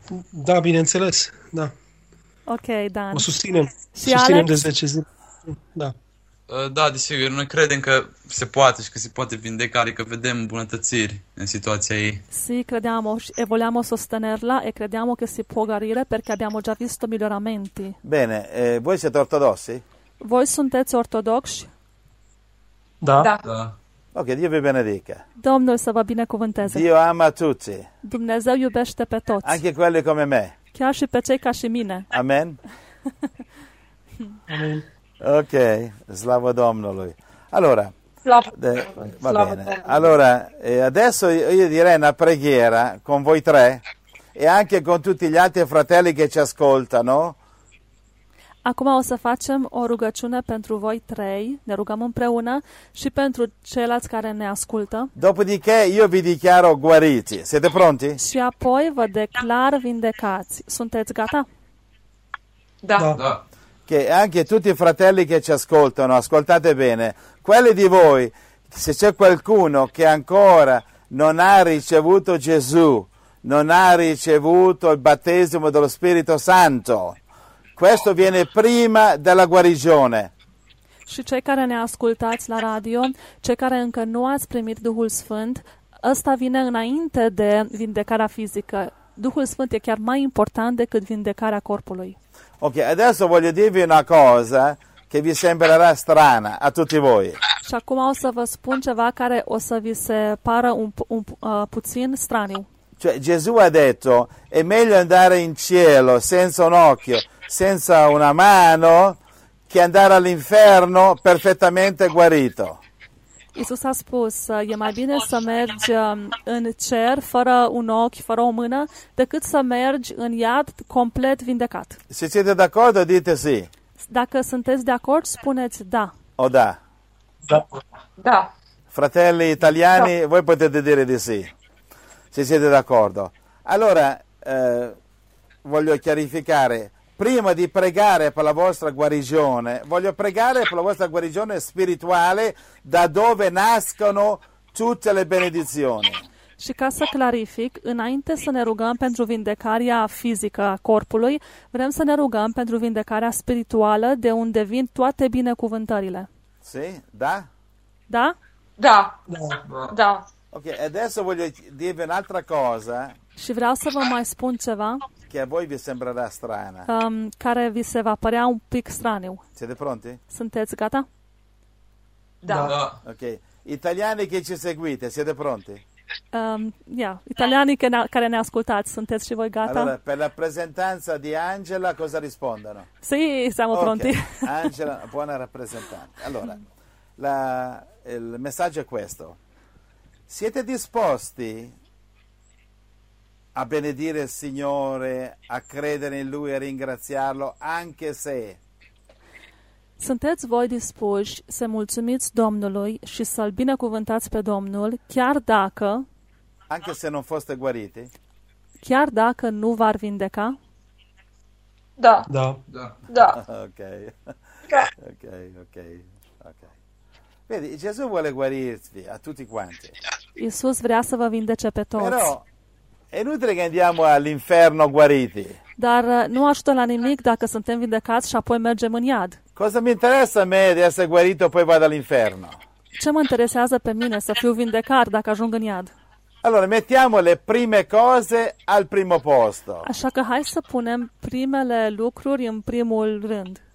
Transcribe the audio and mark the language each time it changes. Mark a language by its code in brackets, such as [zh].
[ro] Da, bineînțeles, da. Ok, Dan. O susținem. Și susținem Alex? De 10 zile. Da. Da, desigur, noi credem că se poate și că se poate vindeca, că vedem îmbunătățiri în situația ei. [it] Sì, credeamo e volevamo sostenerla e crediamo che si può guarire perché abbiamo già visto miglioramenti. Bene, voi siete ortodossi? [ro] Voi sunteți ortodoxi? Da. Da. [it] Ok, Dio vi benedica. [ro] Domnul să vă binecuvânteze. [it] Dio ama tutti. [ro] Dumnezeu iubește pe toți. [it] Anche quelli come me. [ro] Chiar și pe cei ca și mine. Amen. Amen. Ok, slavo Domnului. [it] Allora, va bene. Allora adesso io direi una preghiera con voi tre e anche con tutti gli altri fratelli che ci ascoltano. [ro] Acum o să facem o rugăciune pentru voi trei, ne rugăm împreună și pentru ceilalți care ne ascultă. [it] Dopodiché io vi dichiaro guariti. Siete pronti? [ro] Și apoi vă declar vindecați. Sunteți gata? Da. Da. [it] Che anche tutti i fratelli che ci ascoltano, ascoltate bene, quelli di voi, se c'è qualcuno che ancora non ha ricevuto Gesù, non ha ricevuto il battesimo dello Spirito Santo, questo viene prima della guarigione. [ro] Și cei care ne ascultați la radio, cei care încă nu ați primit Duhul Sfânt, ăsta vine înainte de vindecarea fizică. Duhul Sfânt e chiar mai important decât vindecarea corpului. [it] Ok, adesso voglio dirvi una cosa che vi sembrerà strana a tutti voi. [ro] Și acum o să vă spun ceva care o să vi se pară un puțin straniu. [it] Cioè, Gesù ha detto, è meglio andare in cielo senza un occhio, senza una mano, che andare all'inferno perfettamente guarito. [ro] Iisus a spus, e mai bine să mergi în cer fără un ochi, fără o mână, decât să mergi în iad complet vindecat. [it] Se siete d'accordo, dite sì. [ro] Dacă sunteți de acord, spuneți da. O da. Da. Da. [it] Fratelli italiani, da. Voi potete dire di sì. Se siete d'accordo. Allora, voglio chiarificare, prima di pregare per la vostra guarigione, voglio pregare per la vostra guarigione spirituale, da dove nascono tutte le benedizioni. Și ca să clarific, înainte să ne rugăm pentru vindecarea fizică a corpului, vrem să ne rugăm pentru vindecarea spirituală, de unde vin toate binecuvântările. Sì? Da? [ro] Da? Da. Da. Da. [it] Ok, adesso voglio dirvi un'altra cosa. [ro] Și vreau să vă mai spun ceva. [it] Che a voi vi sembrerà strana. [ro] Care vi se va părea un pic straniu. [it] Siete pronti? [ro] Sunteți gata? Da. Da. Ok. [it] Italiani che ci seguite, siete pronti? [ro] Italiani care ne ascultați, sunteți și voi gata? [it] Allora, per la presentanza di Angela cosa rispondono? Sì, siamo okay. Pronti. Angela, buona rappresentante. Allora, il messaggio è questo. Siete disposti a benedire il Signore, a credere in Lui e ringraziarlo, anche se... [ro] Sunteți voi dispuși să mulțumiți Domnului și să-L binecuvântați pe Domnul, chiar dacă... [it] Anche se non foste guariti? [ro] Chiar dacă nu v-ar vindeca? Da. Da. Da. Da. Ok. Ok, ok, ok. [it] Vedi, Gesù vuole guarirvi a tutti quanti. [ro] Iisus vrea să vă vindece pe toți. [it] Però... E inutile che andiamo all'inferno guariti. [ro] Dar nu ajută la nimic dacă suntem vindecați și apoi mergem în iad. [it] Cosa mi interesa a me di essere guarito poi vado all'inferno? [ro] Ce mă interesează pe mine să fiu vindecat dacă ajung în iad? [it] Allora, mettiamo le prime cose al primo posto. [ro] Așa că hai să punem primele lucruri în primul rând.